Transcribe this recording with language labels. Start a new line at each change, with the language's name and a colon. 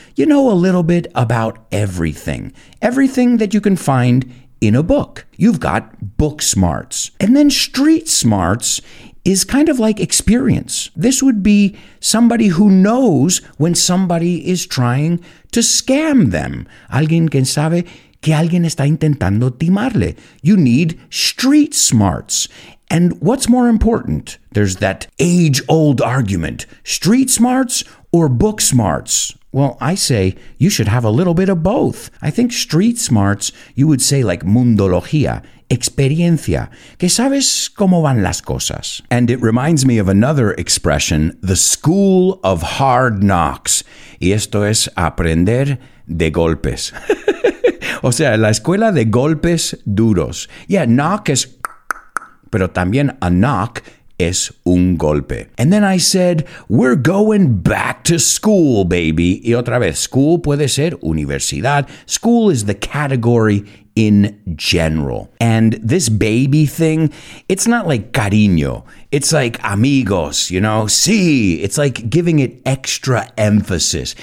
English: You know a little bit about everything. Everything that you can find in a book. You've got book smarts. And then street smarts is kind of like experience. This would be somebody who knows when somebody is trying to scam them.
Spanish: Alguien que sabe que alguien está intentando timarle.
English: You need street smarts. And what's more important? There's that age-old argument. Street smarts or book smarts? Well, I say you should have a little bit of both. I think street smarts, you would say like
Spanish: mundología, experiencia, que sabes cómo van las cosas.
English: And it reminds me of another expression, the school of hard knocks.
Spanish: Y esto es aprender de golpes. O sea, la escuela de golpes duros.
English: Yeah, knock is,
Spanish: pero también a knock es un golpe.
English: And then I said, we're going back to school, baby.
Spanish: Y otra vez, school puede ser universidad.
English: School is the category in general. And this baby thing, it's not like cariño. It's like amigos, you know? Sí, it's like giving it extra emphasis.